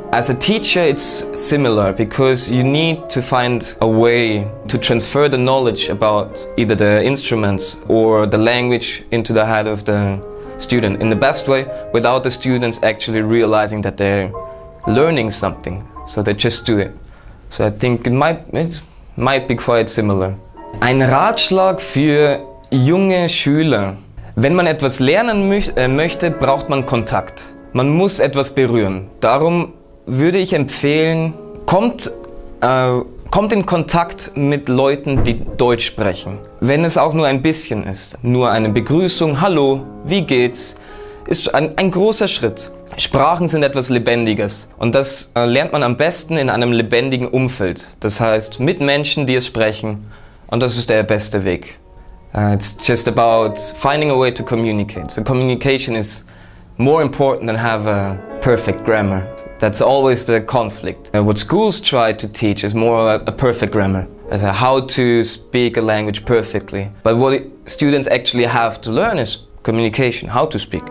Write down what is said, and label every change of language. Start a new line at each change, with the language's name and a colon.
English: As a teacher, it's similar because you need to find a way to transfer the knowledge about either the instruments or the language into the head of the student in the best way without the students actually realizing that they're learning something. So they just do it. So I think it might be quite similar.
German: Ein Ratschlag für junge Schüler. Wenn man etwas lernen möchte, braucht man Kontakt. Man muss etwas berühren. Darum würde ich empfehlen, kommt in Kontakt mit Leuten, die Deutsch sprechen. Wenn es auch nur ein bisschen ist. Nur eine Begrüßung, hallo, wie geht's, ist ein großer Schritt. Sprachen sind etwas Lebendiges und das lernt man am besten in einem lebendigen Umfeld. Das heißt, mit Menschen, die es sprechen, und das ist der beste Weg.
English: It's just about finding a way to communicate. So communication is more important than have a perfect grammar. That's always the conflict. What schools try to teach is more a perfect grammar. How to speak a language perfectly. But what students actually have to learn is communication, how to speak.